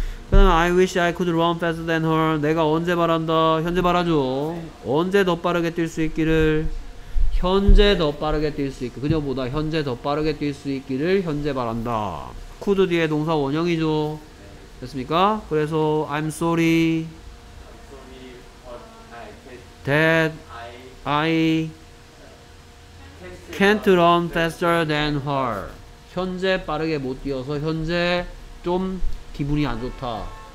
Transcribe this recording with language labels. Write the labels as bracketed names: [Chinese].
[English] 그 다음에 I wish I could run faster than her. [Korean] 내가 언제 바란다? 현재 바라죠. 언제 더 빠르게 뛸 수 있기를? 현재 더 빠르게 뛸 수 있기를. 그녀보다 현재 더 빠르게 뛸 수 있기를 현재 바란다. could 뒤에 동사 원형이죠. 됐습니까? [English] 그래서 I'm sorry that I can't run faster than her. [Korean] 현재 빠르게 못 뛰어서 현재 좀 기분이 안 좋다.